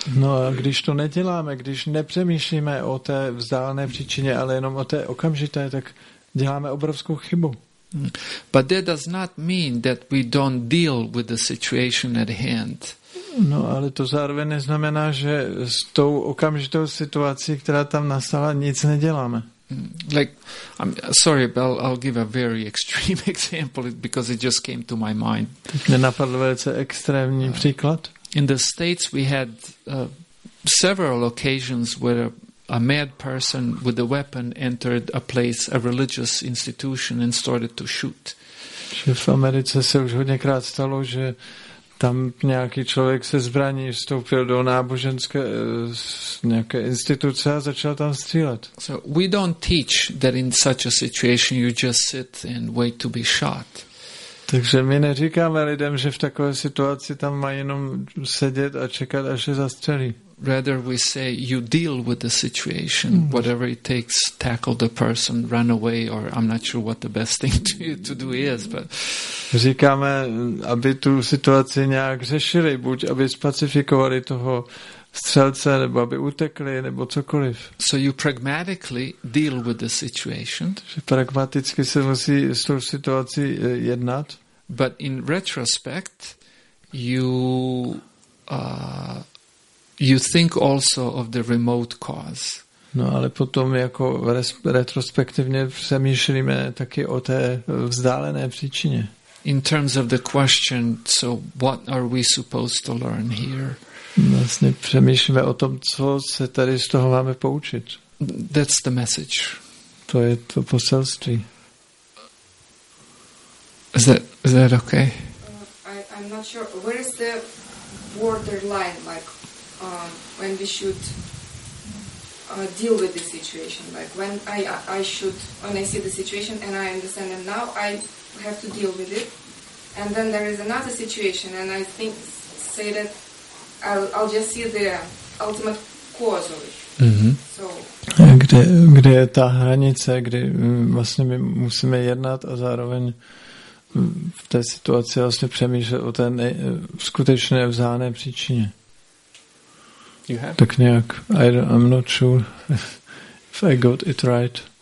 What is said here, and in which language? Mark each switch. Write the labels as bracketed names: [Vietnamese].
[Czech] No, a když to neděláme, když nepřemýšlíme o té vzdálené příčině, ale jenom o té okamžité, tak děláme obrovskou chybu. [English] But that does not mean that we don't deal with the situation at hand. [Czech] No, ale to zároveň neznamená, že s tou okamžitou situací, která tam nastala, nic neděláme. [English] Like, I'm sorry, but I'll give a very extreme example because it just came to my mind. [Czech] Nenapadlo velice extrémní příklad. [English] In the States we had several occasions where a mad person with a weapon entered a place, a religious institution, and started to shoot. [Czech] Že v Americe se už hodněkrát stalo, že tam nějaký člověk se zbraní vstoupil do náboženské nějaké instituce a začal tam střílet. [English] So we don't teach that in such a situation you just sit and wait to be shot. [Czech] Takže my neříkáme lidem, že v takové situaci tam mají jenom sedět a čekat, až se zastřelí. [English] Rather we say you deal with the situation, whatever it takes, tackle the person, run away, or I'm not sure what the best thing to do is, but [Czech] říkáme, aby tu situaci nějak řešili, buď aby specifikovali toho střelce, nebo aby utekli, nebo cokoliv. [English] So you pragmatically deal with the situation. [Czech] Takže pragmaticky se musí s tou situací jednat. [English] But in retrospect, you think also of the remote cause. [Czech] No, ale potom jako retrospektivně přemýšlíme taky o té vzdálené příčině. [English] In terms of the question, so what are we supposed to learn here? [Czech] Vlastně přemýšlíme o tom, co se tady z toho máme poučit. [English] That's the message. [Czech] To je to poselství. [English] Is that okay? I'm not sure. Where is the borderline, like, when we should deal with the situation? Like, when I should, when I see the situation and I understand them now, I have to deal with it. And then there is another situation and I think, say that I'll just see the ultimate cause of it. Mm-hmm. So [Czech] kde je ta hranice, kdy vlastně my musíme jednat a zároveň v té situaci vlastně přemýšlet o té skutečné vzájemné příčině. [English] You have? [Czech] Tak nějak. [English] I'm not sure if I got it right.